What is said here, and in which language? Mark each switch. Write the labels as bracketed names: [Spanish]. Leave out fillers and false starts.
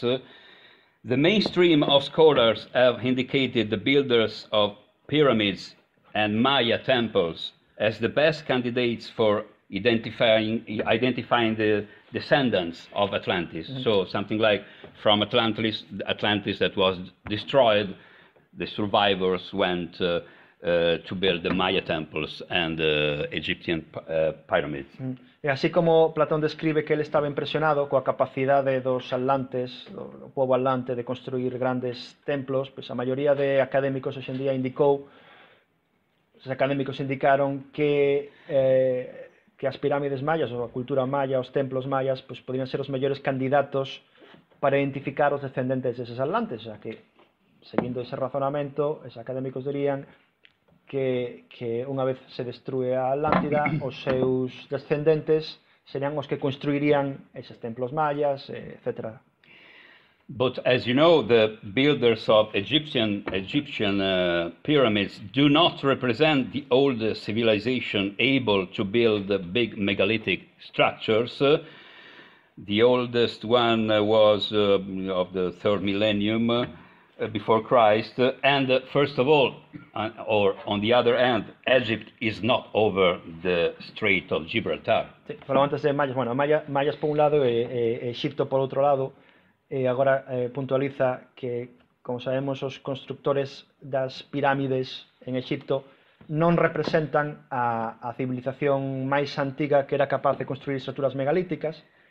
[English] The mainstream of scholars have indicated the builders of pyramids and Maya temples as the best candidates for identifying the descendants of Atlantis. Mm-hmm. So something like from Atlantis that was destroyed, the survivors went to build the Maya temples and the Egyptian pyramids. [Spanish] Y así como Platón describe que él estaba impresionado con la capacidad de los atlantes, el pueblo atlante, de construir grandes templos, pues la mayoría de académicos hoy en día indicaron que las pirámides mayas, o la cultura maya, los templos mayas, pues podrían ser los mejores candidatos para identificar los descendientes de esos atlantes. O sea que, siguiendo ese razonamiento, esos académicos dirían que una vez se destruye a Atlántida, [Portuguese] os seus descendentes [Spanish] serían los que construirían esos templos mayas, etc. [English] But as you know, the builders of Egyptian pyramids do not represent the oldest civilization able to build the big megalithic structures. The oldest one was of the third millennium before Christ, and first of all, or on the other hand, Egypt is not over the Strait of Gibraltar. [Spanish] Sí, pero antes de mayas, bueno, mayas por un lado, Egipto por otro lado, ahora puntualiza que, como sabemos, los constructores de las pirámides en Egipto no representan a la civilización más antigua que era capaz de construir estructuras megalíticas.